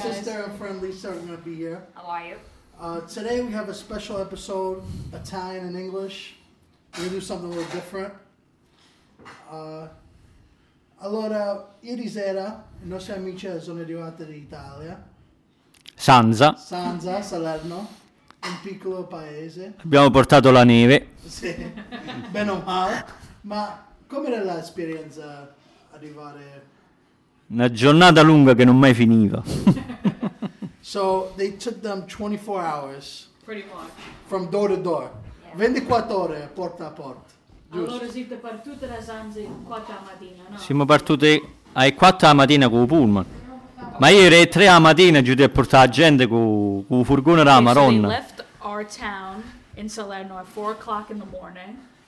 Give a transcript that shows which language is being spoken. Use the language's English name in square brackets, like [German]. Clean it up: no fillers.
[English] Sister and friend Lisa are going to be here. How are you? Today we have a special episode, Italian and English. We're going to do something a little different. [Italian] Allora, ieri sera i nostri amici sono arrivati in Italia. Sanza, Salerno, un piccolo paese. Abbiamo portato la neve. Sì, bene o male. Ma com'era l'esperienza arrivare? Una giornata lunga che non mai finiva. [English] So they took them 24 hours. Pretty much. From door to door. Yeah. [Italian] 24 ore, porta a porta. Allora siete partite da Sanza alle 4 la mattina, no? Siamo partite alle 4 la mattina con il pullman. Ma io ero alle 3 la mattina giù a portare la gente con il furgone della Maronna. [English] So they left our town in Salerno at 4 o'clock in the morning.